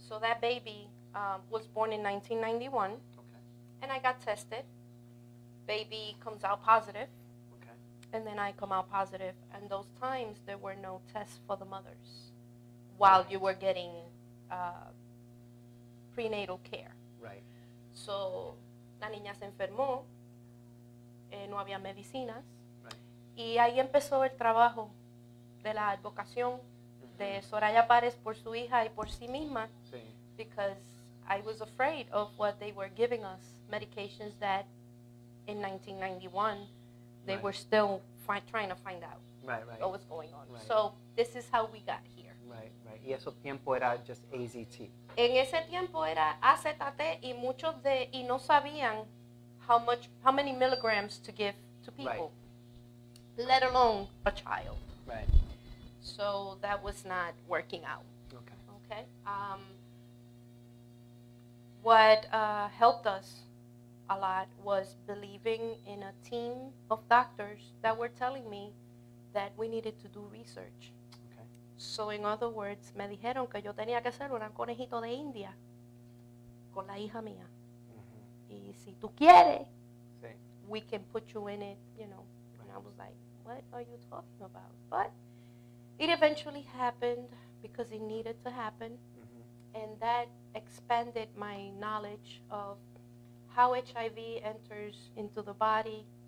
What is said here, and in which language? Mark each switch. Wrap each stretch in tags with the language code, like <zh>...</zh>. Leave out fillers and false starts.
<en>So that baby was born in 1991, okay. And I got tested. Baby comes out positive, okay. And then I come out positive. And those times, there were no tests for the mothers while you were getting prenatal care. Right.</en> <es>So la niña se enfermó, no había medicinas,</es> <en>right.</en> <es>Y ahí empezó el trabajo de la advocación de Soraya Párez por su hija y por sí misma, sí.</es> <en>Because I was afraid of what they were giving us, medications that in 1991 they right. were still trying to find out right, right. what was going on. Right. So this is how we got here. Right, right.</en> <es>Y ese tiempo era</es> <en>just AZT.</en> <es>En ese tiempo era AZT y muchos de y no sabían</es> <en>how many milligrams to give to people, right. Let alone a child. Right. So that was not working out. Okay. Okay. What helped us a lot was believing in a team of doctors that were telling me that we needed to do research. Okay. So in other words,</en> <es>me dijeron que yo tenía que hacer una conejito de India con la hija mía. Mm-hmm. Y si tú quieres, sí.</es> <en>we can put you in it, you know. Right. And I was like, what are you talking about? But it eventually happened because it needed to happen. Mm-hmm. And that expanded my knowledge of how HIV enters into the body.</en>